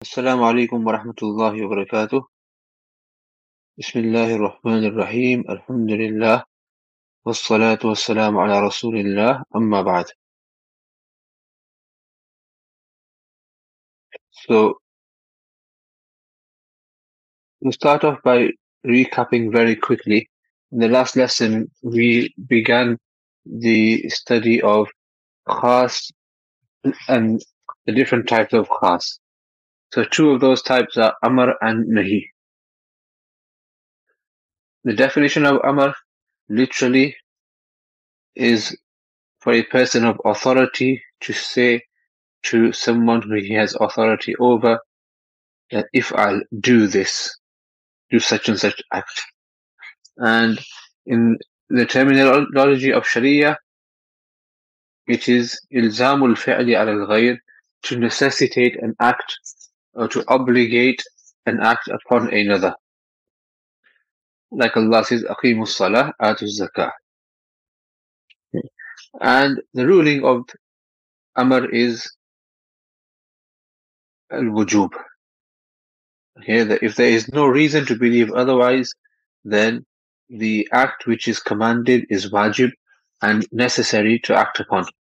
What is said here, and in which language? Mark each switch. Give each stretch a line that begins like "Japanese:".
Arabic: السلام عليكم ورحمة الله وبركاته. بسم الله الرحمن الرحيم، الحمد لله والصلاة والسلام على رسول الله، أما بعد.
English: So, we'll start off by recapping very quickly. In the last lesson, we began the study of khas and the different types of khas. So two of those types are Amr and Nahi. The definition of Amr literally is for a person of authority to say to someone who he has authority over that if I'll do this, do such and such act. And in the terminology of Sharia, it is
Arabic: ilzam al-fi'li ala al-ghayr,
English: to necessitate an act or to obligate an act upon another. Like Allah says,
Arabic: أَقِيمُ الصَّلَاةِ آتُ الزَّكَاةِ.
English: And the ruling of Amr is al-wujub. Okay, that if there is no reason to believe otherwise, then the act which is commanded is wajib and necessary to act upon.